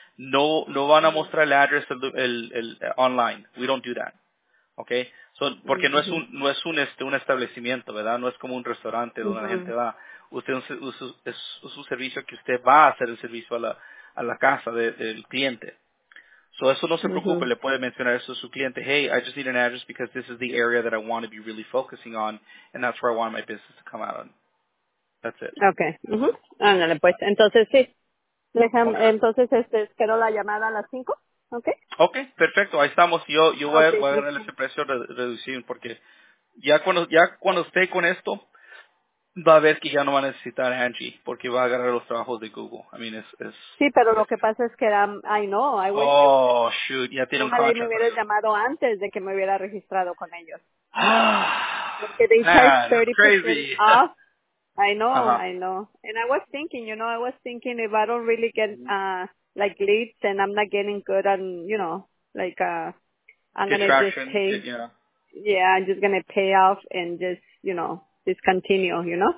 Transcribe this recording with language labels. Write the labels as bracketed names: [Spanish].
[Spanish] No van a mostrar el address el online. [English] We don't do that. Okay? [Spanish] So, porque mm-hmm. no es un establecimiento, ¿verdad? No es como un restaurante donde mm-hmm. la gente va. Usted es un servicio que usted va a hacer el servicio a la casa del cliente. So, eso no se preocupe, uh-huh. le puede mencionar eso a su cliente. [English] Hey, I just need an address because this is the area that I want to be really focusing on, and that's where I want my business to come out on. That's it. [Spanish] Okay. Uh-huh. Ándale, pues. Entonces, sí. Entonces, espero la llamada a las 5. Okay. Okay, perfecto. Ahí estamos. Yo okay. voy a darle ese precio reducido porque ya cuando esté con esto, va a ver que ya no va a necesitar Angie porque va a agarrar los trabajos de Google. [English] I mean, es [Spanish] sí, pero lo que pasa es que [English] I wish oh, shoot, [Spanish] ya tiene un contrato. Me hubieras llamado antes de que me hubiera registrado con ellos. [English] Ah, porque they charge 30% off. I know. And I was thinking if I don't really get leads, then I'm not getting good on, you know, I'm going to just pay. Yeah, I'm just going to pay off and just, you know, discontinue, you know?